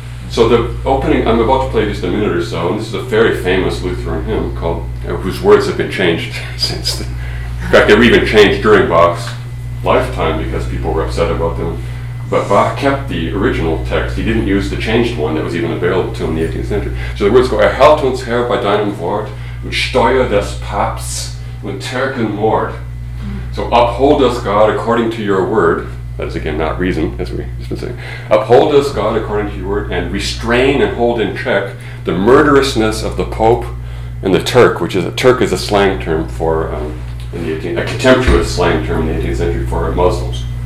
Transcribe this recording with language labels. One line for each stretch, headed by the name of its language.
English: So the opening, I'm about to play just a minute or so, and this is a very famous Lutheran hymn called, whose words have been changed since. In fact, they were even changed during Bach's lifetime because people were upset about them. But Bach kept the original text. He didn't use the changed one that was even available to him in the 18th century. So the words go,
German: Erhalt uns Herr bei deinem Wort, und Steuer des Papsts und Terken Mord.
English: So uphold us, God, according to your word. That is, again, not reason, as we've just been saying. Uphold us, God, according to your word, and restrain and hold in check the murderousness of the Pope and the Turk, which is a Turk is a slang term for, a contemptuous slang term in the 18th century for Muslims.